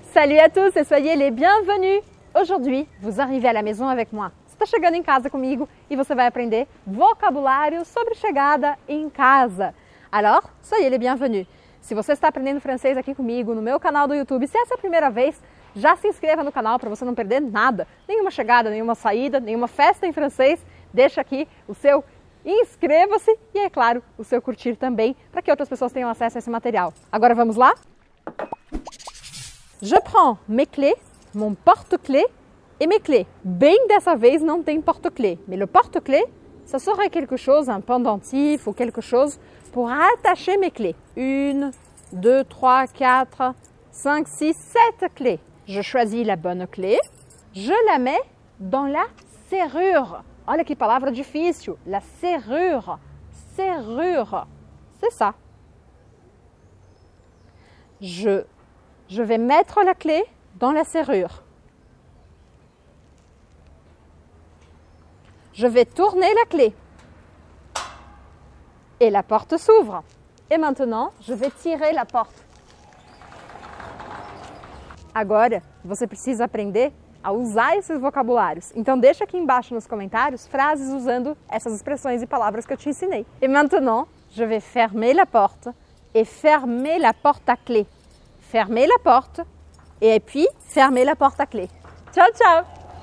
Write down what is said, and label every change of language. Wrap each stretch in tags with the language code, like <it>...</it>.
<fr>Salut à tous et soyez les bienvenus. Aujourd'hui, vous arrivez à la maison avec moi.</fr> <pt>Você está chegando em casa comigo e você vai aprender vocabulário sobre chegada em casa.</pt> <fr>Alors, soyez les bienvenus.</fr> <pt>Se você está aprendendo francês aqui comigo no meu canal do YouTube, se essa é a primeira vez, já se inscreva no canal para você não perder nada. Nenhuma chegada, nenhuma saída, nenhuma festa em francês. Deixa aqui o seu inscreva-se e, é claro, o seu curtir também para que outras pessoas tenham acesso a esse material. Agora vamos lá?</pt> <fr>Je prends mes clés, mon porte-clés et mes clés.</fr> <pt>Bem dessa vez, não tem porte-clés.</pt> <fr>Mais le porte-clés, ça serait quelque chose, un pendentif ou quelque chose pour attacher mes clés. Une, deux, trois, quatre, cinq, six, sept clés. Je choisis la bonne clé. Je la mets dans la serrure.</fr> <pt>Olha que palavra difícil.</pt> <fr>La serrure. Serrure. C'est ça. Je vais mettre la clé dans la serrure. Je vais tourner la clé. Et la porte s'ouvre. Et maintenant, je vais tirer la porte.</fr> <pt>Agora, você precisa aprender a usar esses vocabulários. Então, deixa aqui embaixo nos comentários frases usando essas expressões e palavras que eu te ensinei.</pt> <fr>Et maintenant, je vais fermer la porte et fermer la porte à clé. Fermer la porte et puis fermer la porte à clé.</fr> <it>Ciao, ciao!</it>